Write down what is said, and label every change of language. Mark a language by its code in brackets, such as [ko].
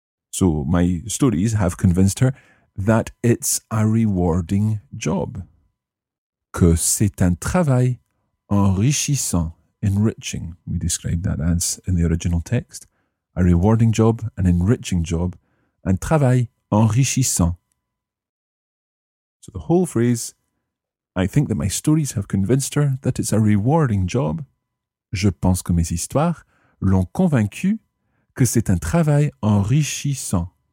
[en] So my stories have convinced her that it's a rewarding job. [fr] Que c'est un travail enrichissant, enriching. [en] We described that as in the original text. A rewarding job, an enriching job, [fr] un travail enrichissant. [en] So the whole phrase, I think that my stories have convinced her that it's a rewarding job. [fr] Je pense que mes histoires l'ont convaincu que c'est un travail enrichissant.